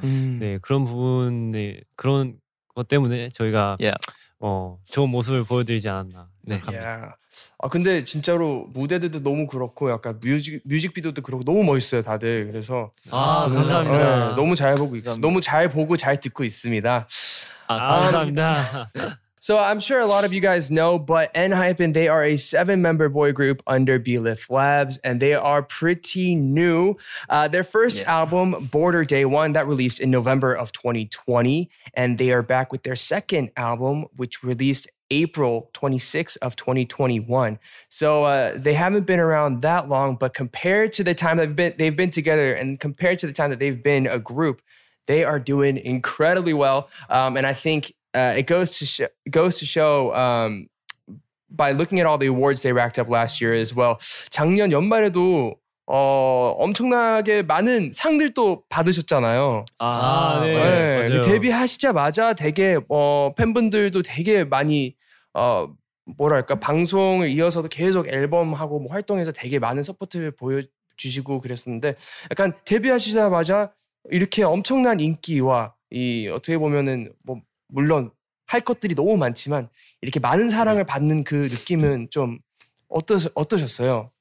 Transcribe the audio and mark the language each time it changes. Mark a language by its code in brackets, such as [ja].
[ko] 네 그런 부분에 그런 것 때문에 저희가 yeah. 어, 좋은 모습을 보여드리지 않았나 생각합니다. [en] Yeah. [ko] 아 근데 진짜로 무대들도 너무 그렇고 약간 뮤직비디오도 그렇고 너무 멋있어요 다들 그래서 아 감사합니다. 네, 너무 잘 보고 있어요. 너무 잘 보고 잘 듣고 있습니다. 아 감사합니다. [en] So I'm sure a lot of you guys know, but ENHYPEN, they are a 7-member boy group under B-Lift Labs, and they are pretty new. Their first yeah. album, Border Day One, that released in November of 2020, and they are back with their second album, which released April 26th of 2021. So they haven't been around that long, but compared to the time they've been together and compared to the time that they've been a group, they are doing incredibly well, and I think it goes to show by looking at all the awards they racked up last year as well. [ko] 작년 연말에도 어 엄청나게 많은 상들도 받으셨잖아요. 아, 네. 네. 맞아요. 데뷔하시자마자 되게 어 팬분들도 되게 많이 어 뭐랄까 방송을 이어서도 계속 앨범하고 뭐 활동해서 되게 많은 서포트를 보여 주시고 그랬었는데 약간 데뷔하시자마자 이렇게 엄청난 인기와 이 어떻게 보면은 뭐 물론 할 것들이 너무 많지만 이렇게 많은 사랑을 받는 그 느낌은 좀 어떠셨어요?